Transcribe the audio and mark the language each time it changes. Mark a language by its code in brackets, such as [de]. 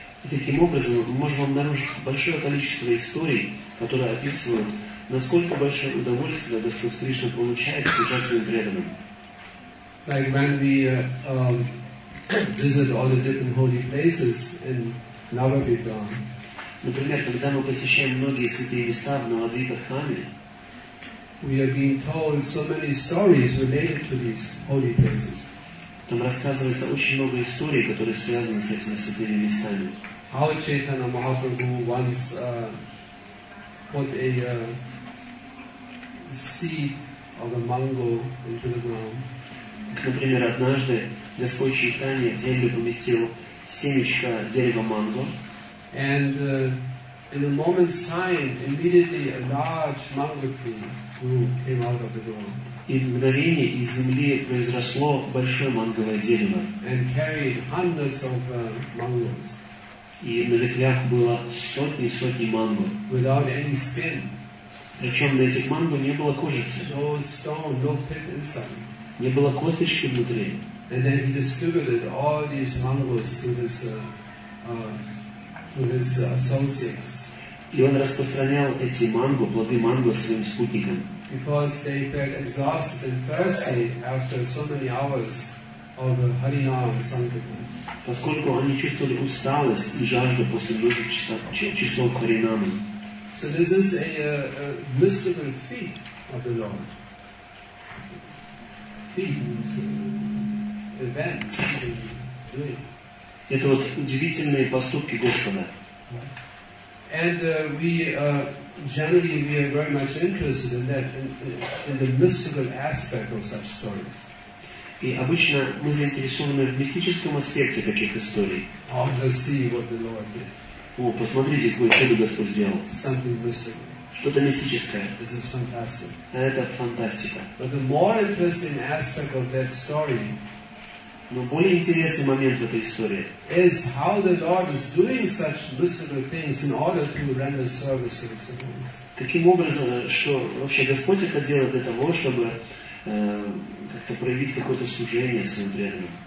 [ru] И таким образом мы можем обнаружить большое количество историй, которые описывают, насколько большое удовольствие Господь Кришна получает, служа своим преданным. [en] Like when we visit all the different holy places in Navadvipam. [ru] Например, когда мы посещаем многие святые места в Навадвипа-храме, [en] we are being told so many stories related to these holy places. [ru] Там рассказывается очень много историй, которые связаны с этими святыми местами. [en] How Chaitanya Mahaprabhu once put a seed of a mango into the ground. [ru] Например, однажды Господь Чайтанья в землю поместил семечко дерева манго. [en] And in a moment's time, immediately a large mango tree grew, came out of the ground. [ru] И в мгновение из земли произросло большое манговое дерево. [en] And carried hundreds of mangoes. [ru] И на ветвях было сотни и сотни манго. [en] Without any skin. [ru] Причем на этих манго не было кожицы. [en] No stone, no pit inside. [ru] Не было косточки внутри. [en] And then he distributed all these mangoes to his associates. [ru] И он распространял эти манго, плоды манго, своим спутникам. [en] Because they felt exhausted and thirsty after so many hours of Harinam Sankirtan. [ru] Поскольку они чувствовали усталость и жажду после многих часов Харинамы. [en] So this is a mystical feat of the Lord. [ru] Это вот удивительные поступки Господа. [en] And we generally we are very much interested in that in the mystical aspect of such stories. [ru] И обычно мы заинтересованы в мистическом аспекте таких историй. [en] Oh, just see what the Lord did. [ru] О, посмотрите, какое чудо Господь сделал. [en] Something mystical. [ru] Что-то мистическое. [en] This is fantastic. [ru] Это фантастика. [en] But the more interesting aspect of that story. [ru] Но более интересный момент в этой истории. [en] Is how the Lord is doing such mystical things in order to render service to his devotees. [ru] Каким образом, что вообще Господь это делает для того, чтобы как-то проявить какое-то служение своим преданным?